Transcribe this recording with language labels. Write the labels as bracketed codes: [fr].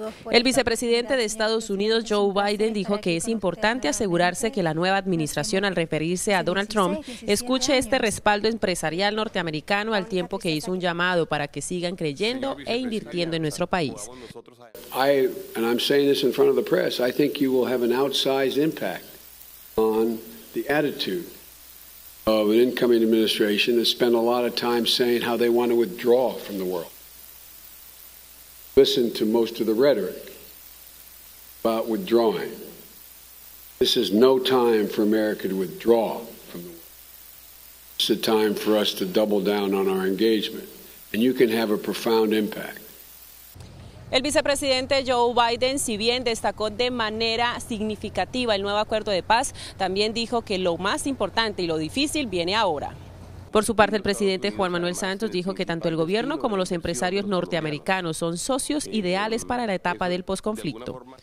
[es] El vicepresidente de Estados Unidos, Joe Biden, dijo que es importante asegurarse que la nueva administración, al referirse a Donald Trump, escuche este respaldo empresarial norteamericano, al tiempo que hizo un llamado para que sigan creyendo e invirtiendo en nuestro país. [en] I'm saying this in front of the press. I think you will have an outsized impact on the attitude of an incoming administration that spent a lot of time saying how they want to withdraw from the world. Listen to most of the rhetoric about withdrawing. This is no time for America to withdraw from the world. It's a time for us to double down on our engagement, and you can have a profound impact. [es] El vicepresidente Joe Biden, si bien destacó de manera significativa el nuevo acuerdo de paz, también dijo que lo más importante y lo difícil viene ahora. Por su parte, el presidente Juan Manuel Santos dijo que tanto el gobierno como los empresarios norteamericanos son socios ideales para la etapa del posconflicto.